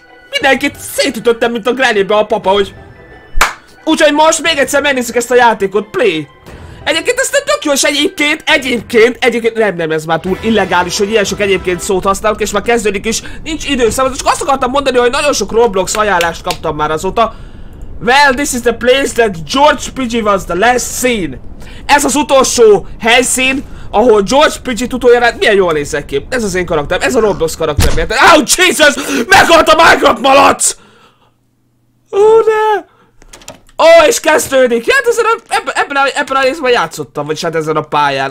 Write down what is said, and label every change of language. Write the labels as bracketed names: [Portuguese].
[Hungarian] Mindenkit szétütöttem, mint a Grannybe a papa, hogy... Úgyhogy most még egyszer megnézzük ezt a játékot, play! Egyébként ezt tök jó, és egyébként, nem, ez már túl illegális, hogy ilyen sok egyébként szót használok, és már kezdődik is, nincs időszámot, csak azt akartam mondani, hogy nagyon sok Roblox ajánlást kaptam már azóta. [English] Well, this is the place that George Pidgey was the last seen. [Hungarian] Ez az utolsó helyszín, ahol George Pidgey utoljára, milyen jól nézek ki. Ez az én karakterem, ez a Roblox karakterem, érted? [English] Oh, Jesus! [Hungarian] Meghalt a Minecraft malac! Ó, ne! Ó, és kezdődik! Ja, hát ezen a, ebben a részben játszottam, vagyis hát ezen a pályán.